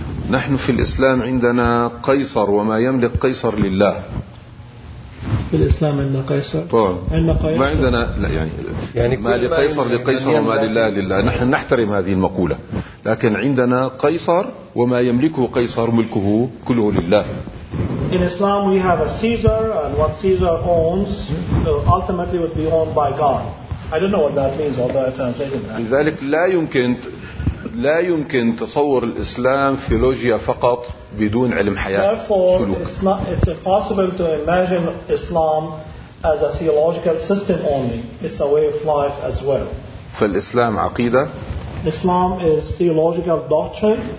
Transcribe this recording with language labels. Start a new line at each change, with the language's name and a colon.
Arabic: نحن في الإسلام عندنا قيصر وما يملك قيصر لله. في الإسلام عندنا قيصر. طبعاً. ما عندنا لا يعني ما لقيصر لقيصر وما لله لله. نحن نحترم هذه المقولة. لكن عندنا قيصر وما يملكه قيصر ملكه كله لله.
English: In Islam we have a Caesar and what Caesar owns ultimately would be owned by God. I don't know what that means although I translated that.
Arabic: لذلك لا يمكن. لا يمكن تصور الإسلام ثيولوجيا فقط بدون علم حياة سلوك.
English: It's impossible to imagine Islam as a theological system only. It's a way of life as well.
Arabic: فالإسلام عقيدة.
English: Islam is theological doctrine.